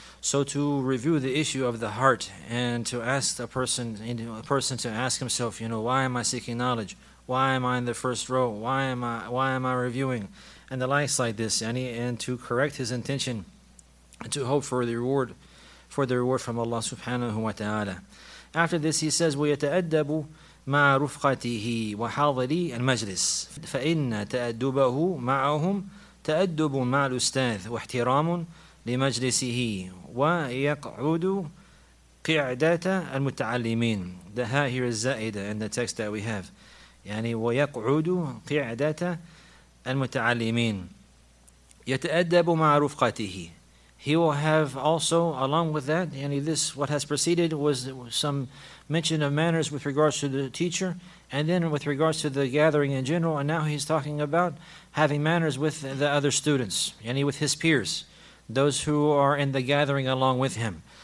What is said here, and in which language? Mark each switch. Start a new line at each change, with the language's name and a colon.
English: So to review the issue of the heart and to ask a person to ask himself, you know, why am I seeking knowledge? Why am I in the first row? Why am I reviewing? And the likes like this, and to correct his intention and to hope for the reward from Allah subhanahu wa ta'ala. After this he says,
Arabic: وَيَتَأَدَّبُ مَعَ رُفْقَتِهِ وَحَاضِرِي الْمَجْلِسِ فَإِنَّ تَأَدُّبَهُ مَعَهُمْ تَأَدُّبُ مَعَ الْأُسْتَاذِ وَاحْتِرَامٌ لِمَجْلِسِهِ وَيَقْعُدُ قِعْدَةَ الْمُتَعَلِّمِينَ.
English: The ha here is za'idah in the text that we have.
Arabic: يعني وَيَقْعُدُ قِعْدَةَ الْمُتَعَلِّمِينَ يَتَأَدَّبُ مَعَ رُفْقَتِهِ.
English: He will have also, along with that, يعني this, what has preceded was some mention of manners with regards to the teacher, and then with regards to the gathering in general, and now he's talking about having manners with the other students, yani with his peers, those who are in the gathering along with him.